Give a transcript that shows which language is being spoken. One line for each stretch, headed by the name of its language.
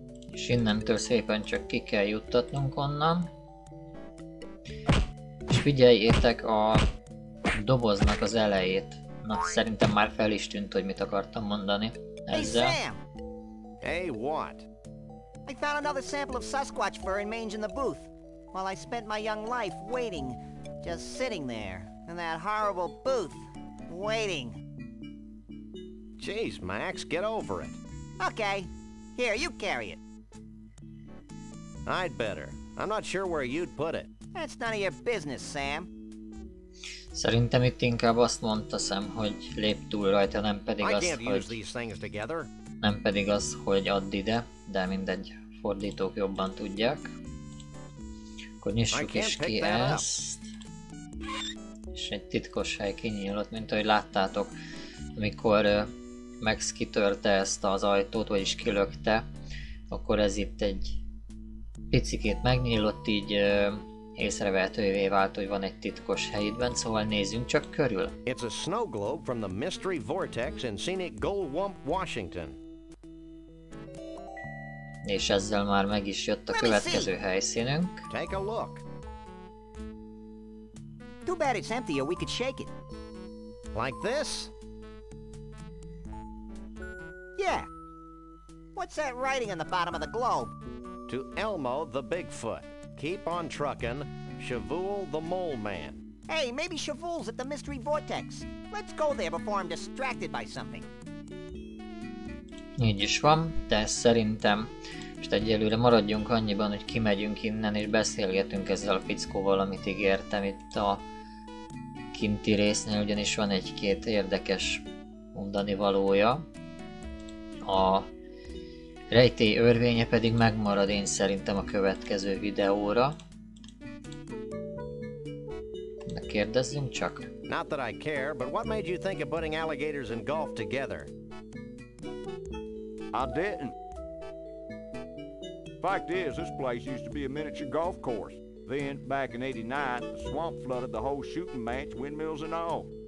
Hungarian: És innentől szépen csak ki kell juttatnunk onnan. És figyeljétek a doboznak az elejét. Na, szerintem már fel is tűnt, hogy mit akartam mondani ezzel.
English: Hey, Sam! Hey, what? I found another sample of Sasquatch fur in mange in the booth. While I spent my young life waiting, just sitting there, in that horrible booth, waiting. Jeez, Max, get over it. Okay, here, you carry it. I'd better. I'm not sure where you'd put it. That's none of your business, Sam.
Hungarian: Szerintem itt inkább azt mondta Sam, hogy lép túl rajta, nem pedig az, hogy... Nem pedig az, hogy add ide, de mindegy, fordítók jobban tudják. Akkor nyissuk is ki ezt. És egy titkos hely kinyílott, mint ahogy láttátok, amikor Max kitörte ezt az ajtót, vagyis kilökte, akkor ez itt egy picikét megnyílott, így észrevehetővé vált, hogy van egy titkos helyben, szóval nézzünk csak körül.
English: It's a snow globe from the Mystery Vortex in scenic Goldwump, Washington.
Hungarian: És ezzel már meg is jött a következő helyszínünk.
English: Take a look. Too bad it's empty or we could shake it. Like this? Yeah. What's that writing on the bottom of the globe? To Elmo the Bigfoot. Keep on truckin', Shavul the Mole Man. Hey, maybe Shavul's at the Mystery Vortex. Let's go there before I'm distracted by something.
Hungarian: Így is van, de szerintem most egyelőre maradjunk annyiban, hogy kimegyünk innen és beszélgetünk ezzel a fickóval, amit ígértem itt a kinti résznél, ugyanis van egy-két érdekes mondani valója. A rejtély örvénye pedig megmarad én szerintem a következő videóra. De kérdezzünk csak.
English: Not that I care, but what made you think of putting alligators and golf together? I didn't. Fact is, this place used to be a miniature golf course. Then, back in 89, the swamp flooded the whole shooting match, windmills and all.